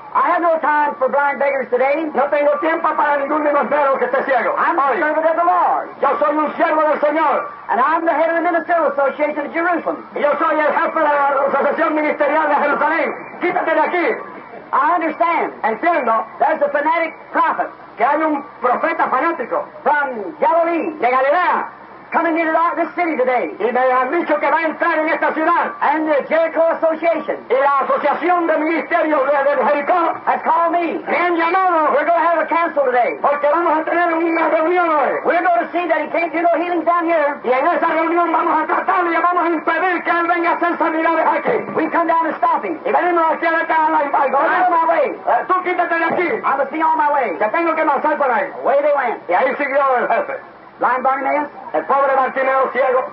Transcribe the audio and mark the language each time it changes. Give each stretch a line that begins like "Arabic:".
English: I have no time for blind beggars today.
Spanish: No tengo tiempo para ningún limosnero que esté ciego.
English: I'm a servant of the Lord.
Spanish: Yo soy un siervo del Señor.
English: And I'm the head of the Ministerial Association of Jerusalem.
Spanish: Yo soy el jefe de la Asociación Ministerial de Jerusalén. Quítate de aquí.
English: I understand.
Spanish: Entiendo.
English: There's a fanatic prophet.
Spanish: Que hay un profeta fanático.
English: From Galilee.
Spanish: De Galilea.
English: Coming into this city today.
Spanish: Y me han dicho que va a entrar en esta ciudad.
English: And the Jericho Association.
Spanish: Y la Asociación de Ministerio de Jericó.
English: Has called me.
Spanish: Me han llamado.
English: We're going to have a council today.
Spanish: Porque vamos a tener una reunión hoy.
English: We're going to see that he can't do no healings down here.
Spanish: Y en esa reunión vamos a tratarle y vamos a impedir que él venga a hacer sanidades aquí.
English: We come down to stop him.
Spanish: Y venimos aquí a la casa.
English: Out of my way.
Spanish: Tú quítate de aquí.
English: I must be on my way.
Spanish: Que tengo que marchar por ahí.
English: Away they went.
Spanish: Y ahí siguió el jefe.
English: Blind Bartimaeus,
Spanish: el pobre Bartimeo ciego,